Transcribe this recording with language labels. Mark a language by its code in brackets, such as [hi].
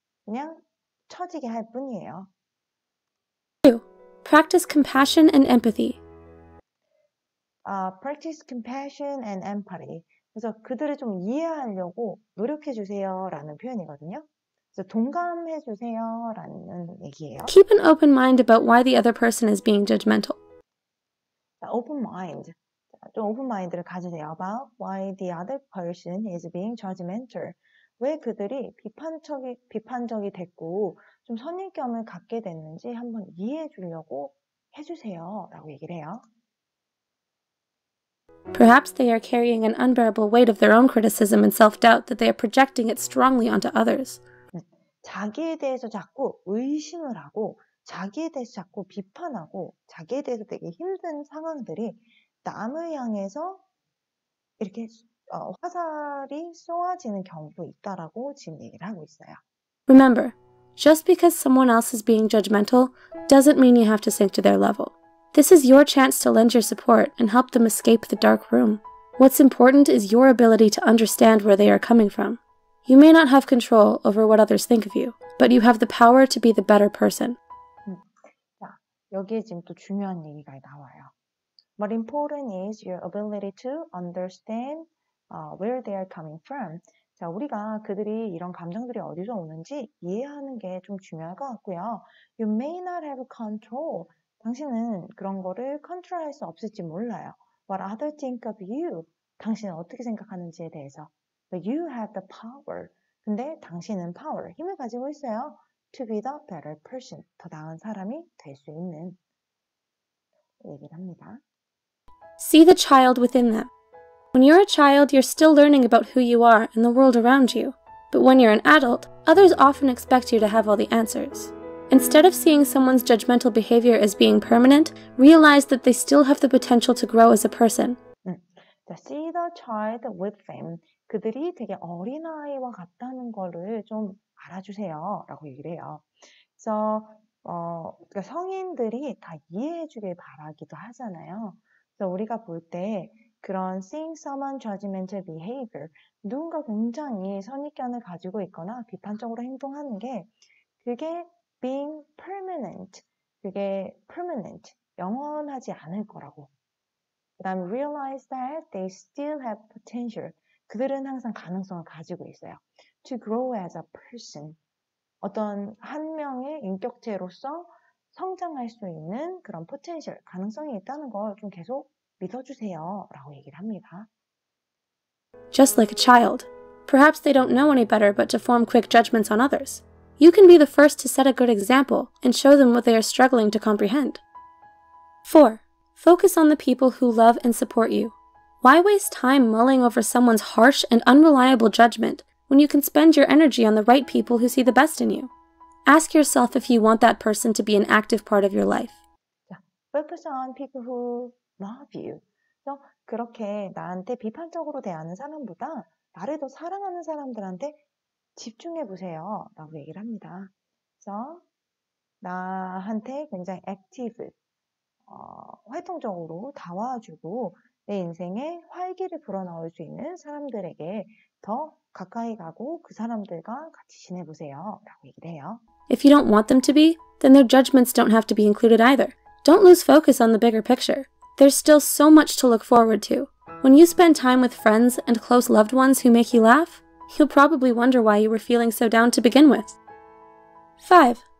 [ko] 그냥 처지게 할 뿐이에요. [en] Practice compassion and empathy. Practice compassion and empathy. [ko] 그래서 그들을 좀 이해하려고 노력해 주세요라는 표현이거든요. 그래서 동감해 주세요라는 얘기예요. [en] Keep an open mind about why the other person is being judgmental. Open mind. [ko] 좀 오픈 마인드를 가지세요. [en] About why the other person is being judgmental. [ko] 왜 그들이 비판적이 됐고 좀 선입견을 갖게 됐는지 한번 이해해 주려고 해주세요라고 얘기를 해요. [en] Perhaps they are carrying an unbearable weight of their own criticism and self-doubt that they are projecting it strongly onto others. [ko] 자기에 대해서 자꾸 의심을 하고 자기에 대해서 자꾸 비판하고 자기에 대해서 되게 힘든 상황들이 남을 향해서 이렇게 화살이 쏘아지는 경우도 있다라고 지금 얘기를 하고 있어요. [en] Remember, just because someone else is being judgmental doesn't mean you have to sink to their level. This is your chance to lend your support and help them escape the dark room. What's important is your ability to understand where they are coming from. You may not have control over what others think of you, but you have the power to be the better person. [ko] 여기에 지금 또 중요한 얘기가 나와요. [en] What important is your ability to understand where they are coming from? [ko] 자, 우리가 그들이 이런 감정들이 어디서 오는지 이해하는 게좀 중요할 것 같고요. [en] You may not have control. [ko] 당신은 그런 거를 컨트롤할 수 없을지 몰라요. [en] What others think of you, [ko] 당신은 어떻게 생각하는지에 대해서. [en] But you have the power. [ko] 근데 당신은 [en] power, [ko] 힘을 가지고 있어요. [en] To be the better person, [ko] 더 나은 사람이 될수 있는 얘기를 합니다. [en] See the child within them. When you're a child, you're still learning about who you are and the world around you. But when you're an adult, others often expect you to have all the answers. Instead of seeing someone's judgmental behavior as being permanent, realize that they still have the potential to grow as a person. See the child within. [ko] 그들이 되게 어린아이와 같다는 거를 좀 알아주세요. 라고 얘기를 해요. So, 그러니까 성인들이 다 이해해 주길 바라기도 하잖아요. 그래서 우리가 볼때 그런 [en] seeing someone judgmental behavior, [ko] 누군가 굉장히 선입견을 가지고 있거나 비판적으로 행동하는 게 그게 [en] being permanent, [ko] 그게 permanent, 영원하지 않을 거라고. 그 다음에 [en] realize that they still have potential. [ko] 그들은 항상 가능성을 가지고 있어요. [en] To grow as a person. [ko] 어떤 한 명의 인격체로서 성장할 수 있는 그런 포텐셜, 가능성이 있다는 걸좀 계속 믿어주세요. 라고 얘기를 합니다. [en] Just like a child. Perhaps they don't know any better but to form quick judgments on others. You can be the first to set a good example and show them what they are struggling to comprehend. 4. Focus on the people who love and support you. Why waste time mulling over someone's harsh and unreliable judgment when you can spend your energy on the right people who see the best in you? Ask yourself if you want that person to be an active part of your life. Focus on people who love you. [ko] 그렇게 나한테 비판적으로 대하는 사람보다 나를 더 사랑하는 사람들한테 집중해 보세요. 라고 얘기를 합니다. So, 나한테 굉장히 active, 활동적으로 다가와주고 내 인생에 활기를 불어넣을 수 있는 사람들에게 더 가까이 가고 그 사람들과 같이 지내보세요. 라고 얘기를 해요. [en] If you don't want them to be, then their judgments don't have to be included either. Don't lose focus on the bigger picture. There's still so much to look forward to. When you spend time with friends and close loved ones who make you laugh, you'll probably wonder why you were feeling so down to begin with. 5.